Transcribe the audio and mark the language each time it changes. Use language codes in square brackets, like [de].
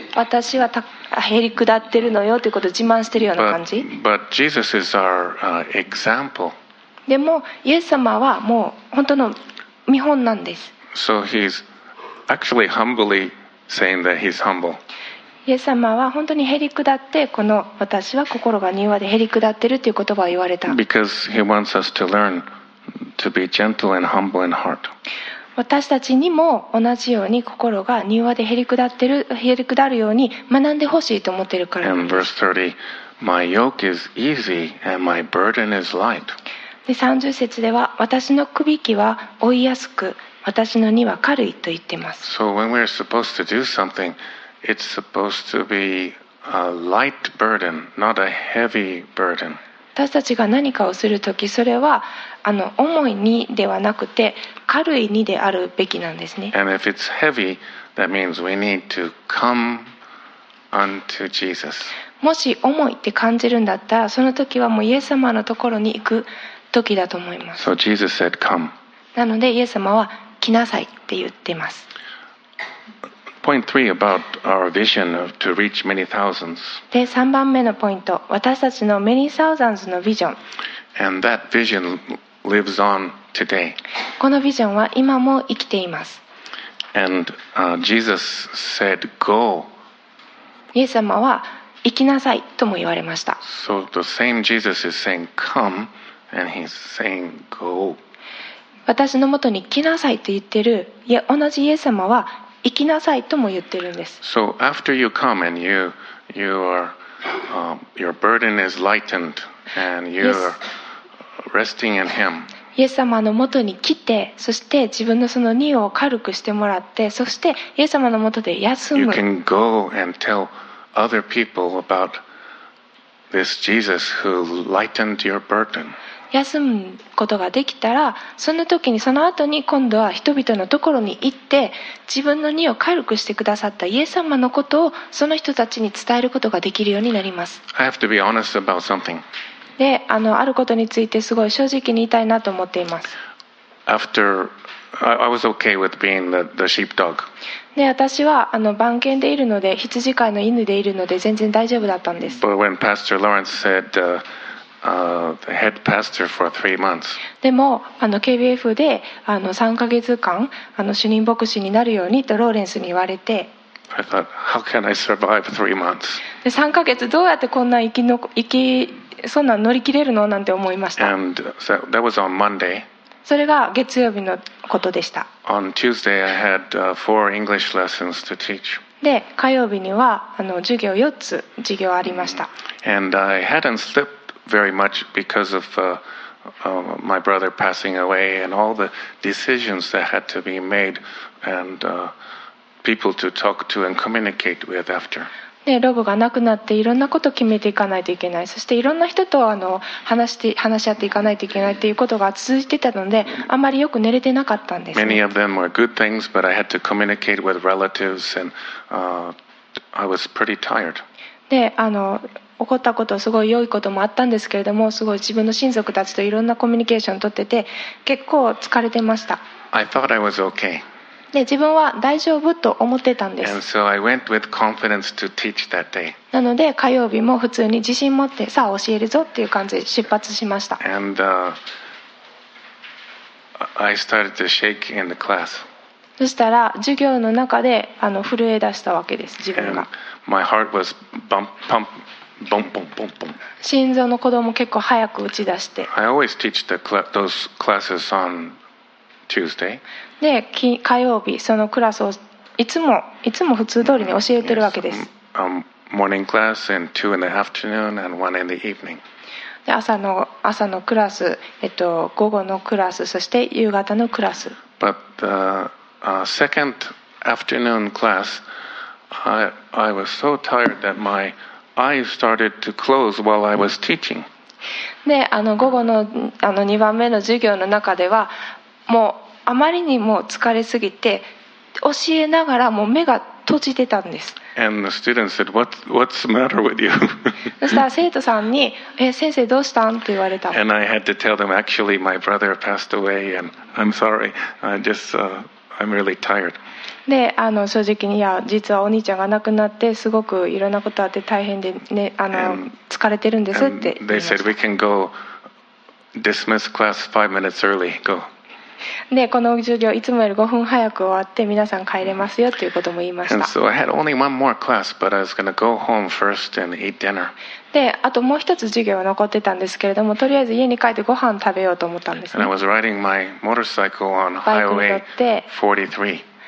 [ja] 私はへり下ってるのよということを自慢してるような感じ。 [en] But Jesus is our example. [ja] でもイエス様はもう本当の見本なんです。 [en] So he's actually humbly saying that he's humble. [ja] イエス様は本当にへり下って、この私は心が柔和でへり下ってるという言葉を言われた。 [en] Because he wants us to learn to be gentle and humble in heart. [ja] 私たちにも同じように心が柔和でへり下るように学んでほしいと思っているからです。 [en] Verse 30, my yoke is easy and my burden is light. [ja] で30節では私の首輝きは負いやすく私の荷は軽いと言っています。 [en] So when we're supposed to do something, it's supposed to be a light burden, not a heavy burden. [ja] 私たちが何かをするとき、それは重い荷ではなくて軽い荷であるべきなんですね。 [en] And if it's heavy, that means we need to come unto Jesus. [ja] もし重いって感じるんだったら、その時はもうイエス様のところに行く時だと思います。 [en] So Jesus said, come. [ja] なのでイエス様は来なさいって言ってます。 [en] Point three about our vision of to reach many thousands. [ja] で、3番目のポイント、私たちの [en] many thousands [ja] のビジョン。 [en] And that vision lives on today. [ja] このビジョンは今も生きています。 [en] And Jesus said, "Go." [ja] イエス様は行きなさいとも言われました。 [en] So the same Jesus is saying, "Come," and he's saying, "Go." [ja] 私の元に来なさいと言ってる、いや同じイエス様は行きなさいとも言ってるんです。 [en] So after you come and you are your burden is lightened and you're resting in Him. [ja] イエス様の元に来て、そして自分のその荷を軽くしてもらって、そしてイエス様の元で休む。 [en] You can go and tell other people about this Jesus who lightened your burden. [ja] 休むことができたら、その時にその後に今度は人々のところに行って、自分の荷を軽くしてくださったイエス様のことをその人たちに伝えることができるようになります。 [en] I have to be honest about something. [ja] で、あることについてすごい正直に言いたいなと思っています。 [en] After, I was okay with being the sheepdog. [ja] で、私は番犬でいるので、羊飼いの犬でいるので全然大丈夫だったんです。 [en] But when Pastor Lawrence said, the head pastor for three months. [ja] でも KBF で3ヶ月間主任牧師になるようにとローレンスに言われて、 [en] I thought, how can I survive three months? [ja] で3ヶ月どうやってこんな生きそんな乗り切れるのなんて思いました。 [en] And so that was on Monday. [ja] それが月曜日のことでした。 [en] On Tuesday, I had four English lessons to teach. [ja] で火曜日には授業4つ授業ありました。 [en] And I hadn't slept. Very much because of my brother passing away and all the decisions that had to be made and people to talk to and communicate with after. [ja] ね、ロブが亡くなっていろんなことを決めていかないといけない。そしていろんな人と話し合っていかないといけないということが続いてたので、あまりよく寝れてなかったんです、ね。 [en] Many of them were good things, but I had to communicate with relatives and I was pretty tired. [ja] で、起こったことすごい良いこともあったんですけれども、すごい自分の親族たちといろんなコミュニケーションを取ってて結構疲れてました。 [en] I thought I was okay. [ja] で自分は大丈夫と思ってたんです。 [en] And so I went with confidence to teach that day. [ja] なので火曜日も普通に自信持ってさあ教えるぞっていう感じで出発しました。 [en] And, I started to shake in the class. [ja] そしたら授業の中で震え出したわけです自分が。 [en] And my heart was pump. ボンボンボンボン [ja] 心臓の鼓動も結構早く打ち出して、 [en] I always teach those classes on Tuesday. [ja] で火曜日そのクラスをいつも普通通りに教えてるわけです。 [en] morning class and two in the afternoon and one in the evening. [ja] で朝のクラス、午後のクラス、そして夕方のクラス。 [en] But the second afternoon class, I was so tired that myI started to close while I was teaching. [ja] で、午後の2番目の授業の中では、もうあまりにも疲れすぎて、教えながらもう目が閉じてたんです。 [en] And the student said, "What's the matter with you?" [ja] そしたら生徒さんに、先生どうしたん? って言われた。 [en] And I had to tell them, actually, my brother passed away, and I'm sorry, I'm really tired. [ja] で正直に、いや実はお兄ちゃんが亡くなってすごくいろんなことあって大変で、ね、疲れてるんですって言いました。 [en] They said we can go dismiss class five minutes early. Go. [ja] でこの授業いつもより5分早く終わって皆さん帰れますよということも言いました。 [en] And so I had only one more class, but I was going to go home first and eat dinner. [ja] であともう一つ授業は残ってたんですけれども、とりあえず家に帰ってご飯食べようと思ったんですね。 [en] And I was riding my motorcycle on Highway 43.